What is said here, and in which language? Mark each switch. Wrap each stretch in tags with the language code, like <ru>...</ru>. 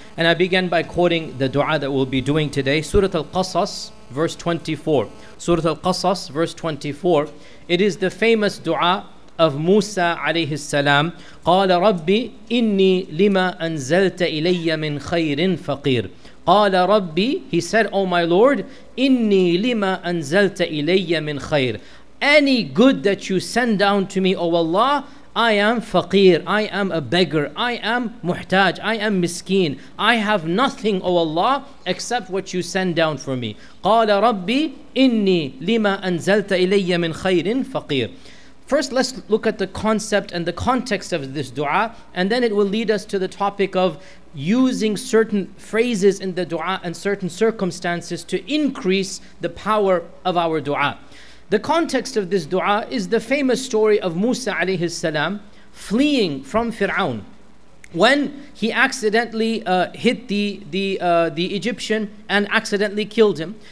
<en>And I begin by quoting the du'a that we'll be doing today. Surah Al-Qasas, verse 24. Surah Al-Qasas, verse 24. It is the famous du'a of Musa</en> <ar>عليه السلام. قال ربي إني لما أنزلت إلي من خير فقير. قال ربي,</ar> <en>he said, oh my Lord,</en> <ar>إني لما أنزلت إلي من خير.</ar> <en>Any good that you send down to me, oh Allah, I am faqir, I am a beggar, I am muhtaj, I am miskeen. I have nothing, oh Allah, except what you send down for me.</en> <ar>قال ربي, إني لما أنزلت إلي من خير فقير.</ar> <en>First, let's look at the concept and the context of this dua, and then it will lead us to the topic of using certain phrases in the dua and certain circumstances to increase the power of our dua. The context of this dua is the famous story of Musa alayhi salam fleeing from Fir'aun when he accidentally hit the Egyptian and accidentally killed him.</en>